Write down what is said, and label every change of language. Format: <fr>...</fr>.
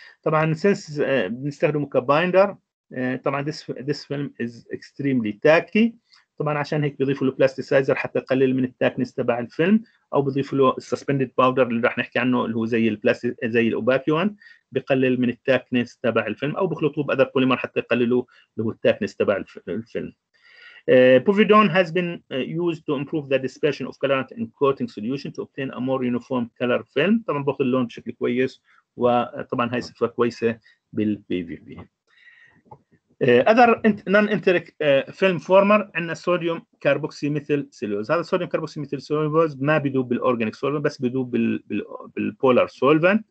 <en>طبعا since</en> <ar>بنستخدمه كبايندر،</ar> <en>طبعا this film is extremely tacky.</en> <ar>طبعا عشان هيك بيضيفوا له بلاستيسايزر حتى يقلل من التاكنس تبع الفيلم، او بيضيفوا له السسبندد باودر اللي راح نحكي عنه اللي هو زي البلاستيك زي الاوباكيون بيقلل من التاكنس تبع الفيلم، او بخلطوه بأذر بوليمر حتى يقللوا له التاكنس تبع الفيلم.</ar> <en>Povidone has been used to improve the dispersion of colorant in coating solution to obtain a more uniform color film.</en> <ar>طبعا باخذ اللون بشكل كويس، وطبعا هاي صفه كويسه بالبي في بي.</ar> <en>Other non-enteric film former</en> <ar>عندنا</ar> <en>sodium carboxymethyl cellulose.</en> <ar>هذا sodium carboxymethyl cellulose ما بيدوب بالorganic solvent بس بيدوب بالpolar solvent.</ar>